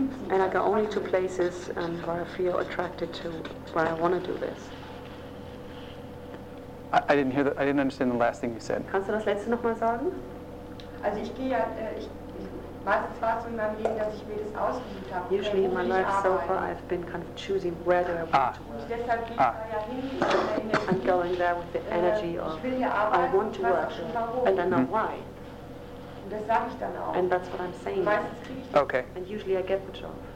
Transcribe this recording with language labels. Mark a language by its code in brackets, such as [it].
[en] And I go only to places where I feel attracted to, where I want to do this. I didn't understand the last thing you said. [de] Kannst du das letzte nochmal sagen? Also ich gehe ja, ich weiß es zwar so in meinem Leben, dass ich mir das ausgesucht habe. [en] Usually in my life so far I've been kind of choosing where do I want to work. [de] Und deshalb gehe ich da ja hin. [en] I'm going there with the energy of I want to work and I know why. [de] Und das sage ich dann auch. [en] And that's what I'm saying. [de] Meistens kriege ich das. [en] Okay. And usually I get the job.